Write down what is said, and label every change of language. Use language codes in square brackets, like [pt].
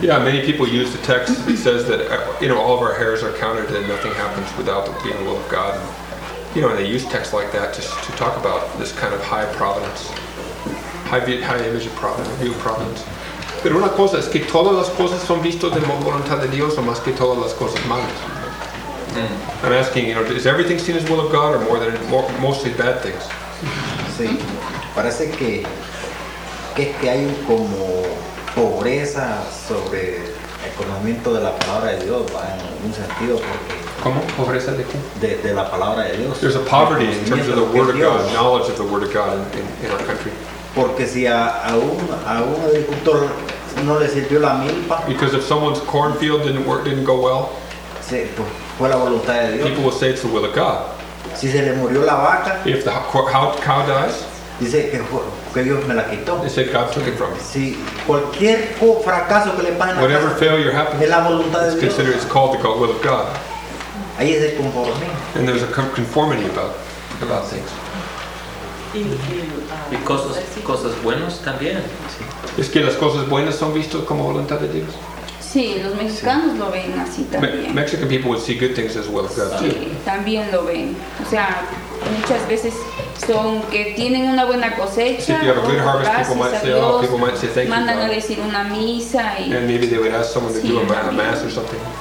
[en] Yeah, many people use the text that says that, you know, all of our hairs are counted and nothing happens without the will of God. You know, they use texts like that to talk about this kind of high providence, high image of providence, view of providence. [es] Pero una cosa es que todas las cosas son vistas de voluntad de Dios, o más que todas las cosas malas. [en] I'm asking, you know, is everything seen as will of God, or mostly bad things? [es] Sí, parece que hay como pobreza sobre el conocimiento de la palabra de Dios, va en algún sentido porque. ¿Cómo? ¿Pobreza de qué? De la palabra de Dios. [en] There's a poverty in terms of the word of God, knowledge of the word of God in our country. [es] Porque si a un agricultor no le sirvió la milpa. [en] Because if someone's cornfield didn't go well. [es] Sí, pues fue la voluntad de Dios. [en] People will say it's the will of God. [es] Si se le murió la vaca. [en] If the cow dies. [es] Dice que Dios me la quitó. [en] They said God took it from me. [es] Si cualquier fracaso que le pase. [en] Whatever failure happens. [es] Es la voluntad de Dios. [en] It's called the will of God. [es] Ahí es el conformismo. [en] And there's a conformity about things. [es] Y cosas buenas también. Sí. Es que las cosas buenas son vistas como voluntad de Dios. Sí, los mexicanos sí. Lo ven así también. [en] Mexican people would see good things as well as God. [es] Sí, [en] too. [es] También lo ven. O sea, muchas veces son que tienen una buena cosecha. [en] If you have a good harvest, people might say thank you. [es] Mandan a decir una misa y. [en] And maybe they would ask someone to do a mass or something.